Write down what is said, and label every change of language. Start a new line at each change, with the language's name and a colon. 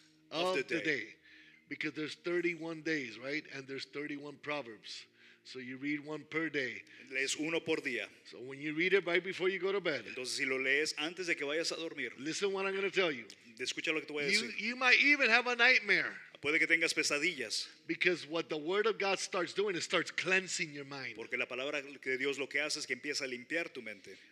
English: Of the day. Because there's 31 days, right? And there's 31 Proverbs. So you read one per day.
Spanish: Lees uno por día.
English: So when you read it right before you go to bed.
Spanish: Entonces, si lo lees antes de que vayas a dormir.
English: Listen what I'm going to tell you.
Spanish: Escucha lo que te voy a decir.
English: You might even have a nightmare.
Spanish: Puede que tengas pesadillas.
English: Because what the word of God starts doing, it starts cleansing your mind.
Spanish: Porque la palabra de Dios lo que hace es que empieza a limpiar tu mente.